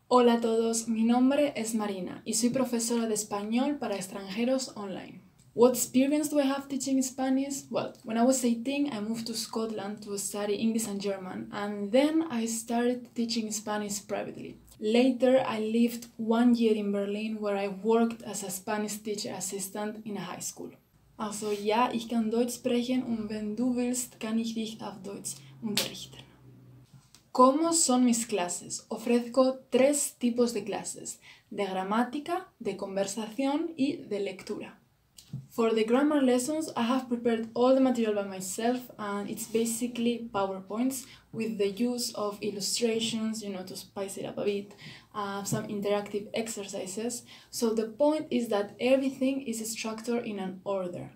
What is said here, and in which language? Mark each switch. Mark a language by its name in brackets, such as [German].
[Spanish] Hola a todos, mi nombre es Marina y soy profesora de español para extranjeros online. [English] What experience do I have teaching Spanish? Well, when I was 18, I moved to Scotland to study English and German, and then I started teaching Spanish privately. Later, I lived 1 year in Berlin where I worked as a Spanish teacher assistant in a high school. [German] Also, ja, ich kann Deutsch sprechen und wenn du willst, kann ich dich auf Deutsch unterrichten. [Spanish] ¿Cómo son mis clases? Ofrezco tres tipos de clases, de gramática, de conversación y de lectura. [English] For the grammar lessons, I have prepared all the material by myself and it's basically PowerPoints with the use of illustrations, you know, to spice it up a bit, some interactive exercises. So the point is that everything is structured in an order.